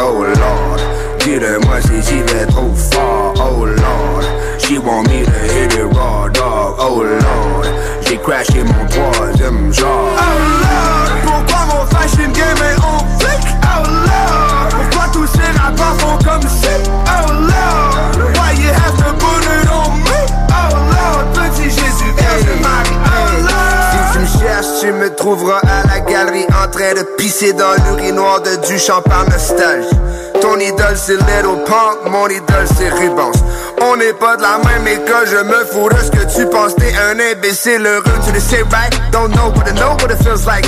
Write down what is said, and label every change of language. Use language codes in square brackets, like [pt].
[fr] Oh Lord, dis-le-moi si j'y vais trop fort. [en] Oh Lord, she want me to hit it raw. Oh Lord, [fr] j'ai crashé mon troisième genre. Oh Lord, pourquoi mon fashion game est en flic? Oh Lord, pourquoi tous ces rappeurs font comme si? [en] Oh Lord, why you have to put it on me? [fr] Oh Lord, petit Jésus, viens de Marie. Oh Lord, si tu me cherches, tu me trouveras à la galerie en train de pisser dans l'urinoir de Duchamp par nostalgie. Ton idole c'est Little Pump, mon idole c'est Rubens. On n'est pas de la même école, je me fous de ce que tu penses. T'es un imbécile heureux, tu le sais, [en] right? Don't know what it feels like.